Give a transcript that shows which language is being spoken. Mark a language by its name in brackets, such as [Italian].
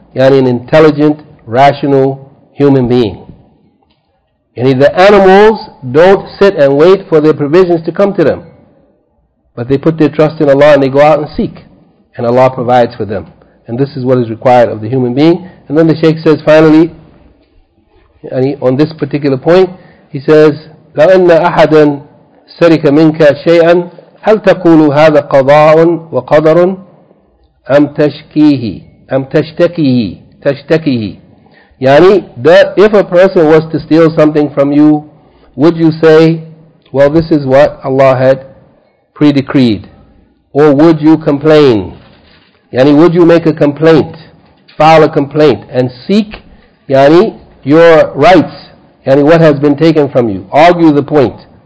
[English] يعني an intelligent, rational human being. يعني the animals don't sit and wait for their provisions to come to them. But they put their trust in Allah and they go out and seek. And Allah provides for them. And this is what is required of the human being. And then the Shaykh says finally, on this particular point, he says, [Arabic] لَأَنَّ أَحَدًا سَرِكَ مِنْكَ شَيْئًا هَلْ تَقُولُ هَذَا قَضَاءٌ وَقَدَرٌ أَمْ تَشْكِيهِ أَمْ تَشْتَكِيهِ تَشْتَكِيهِ. [English] يعني that if a person was to steal something from you, would you say, well, this is what Allah had pre-decreed? Or would you complain? يعني would you make a complaint, file a complaint, and seek, يعني your rights, يعني what has been taken from you, argue the point?